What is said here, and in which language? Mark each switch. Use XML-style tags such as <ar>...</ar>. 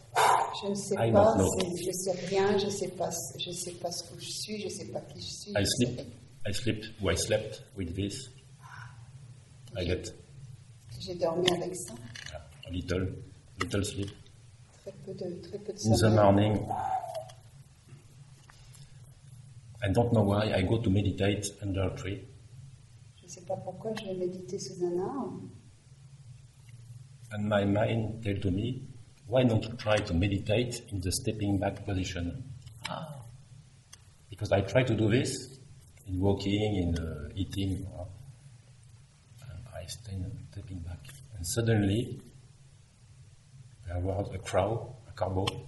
<en>I slept with this. I get.</en> <fr>J'ai dormi avec ça.</fr> <en>Yeah, little sleep.</en> <fr>Très peu de</fr> <en>in</en> <fr>sommeil.</fr> <en>The morning, I don't know why I go to meditate under a tree.</en> <fr>Je sais pas pourquoi je vais méditer sous un arbre.</fr> <en>And my mind tells to me, why not try to meditate in the stepping back position? Ah. Because I try to do this in walking, in eating. I stand stepping back, and suddenly there was a crow, a corbeau.</en>